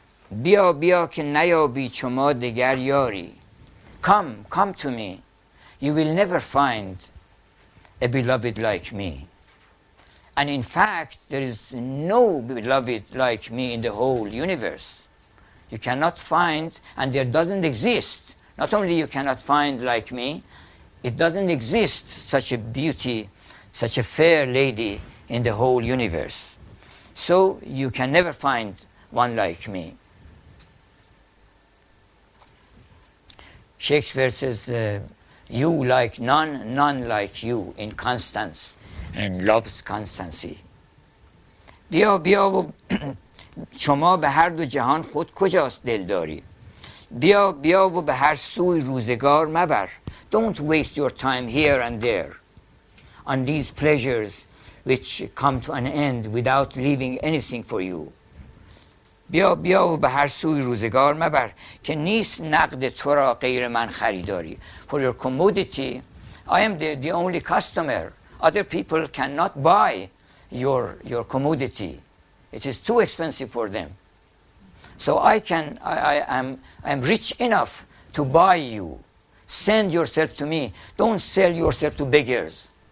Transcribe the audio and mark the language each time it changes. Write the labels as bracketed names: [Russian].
[Persian] بیا بیا که نیابی چما دگر یاری. [English] Come, come to me. You will never find a beloved like me. And in fact, there is no beloved like me in the whole universe. You cannot find, and there doesn't exist. Not only you cannot find like me, it doesn't exist such a beauty, such a fair lady in the whole universe. So you can never find one like me. Shakespeare says, you like none, none like you in Constance, and loves Constancy. [Persian] بیا بیا و شما به هر دو جهان خود کجاست دلداری؟ بیا بیا و به هر سوی روزگار مبر. [English] Don't waste your time here and there on these pleasures which come to an end without leaving anything for you. [Persian] بیا بیا و به هر سوی روزگار مبر که نیست نقد تو را غیر من خریداری. [English] For your commodity, I am the only customer. Other people cannot buy your commodity. It is too expensive for them. So I am rich enough to buy you. Send yourself to me. Don't sell yourself to beggars.